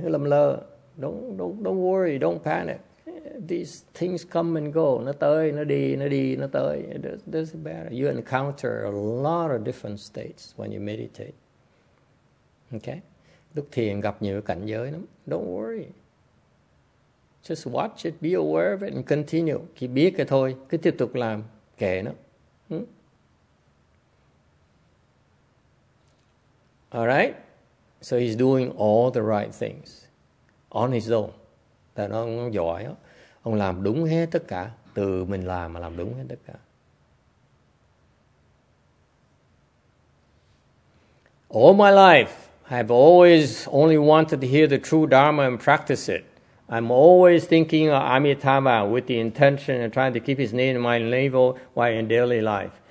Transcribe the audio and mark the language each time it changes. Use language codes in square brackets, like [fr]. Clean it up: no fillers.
[vi] Lâm lơ. [en] Don't worry, don't panic. These things come and go. [vi] Nó tới, nó đi, nó tới. [en] It doesn't matter. You encounter a lot of different states when you meditate. Okay? [vi] Lúc thiền gặp nhiều cảnh giới lắm. [en] Don't worry. Just watch it, be aware of it, and continue. [vi] Khi biết cái thôi, cứ tiếp tục làm, kệ nó. [en] All right? So he's doing all the right things on his own. [vi] Tại nó giỏi đó. Ông làm đúng hết tất cả. Từ mình làm mà làm đúng hết tất cả. [en] All my life, I've always only wanted to hear the true Dharma and practice it. I'm always thinking of Amitabha with the intention of trying to keep his name in my navel while in daily life.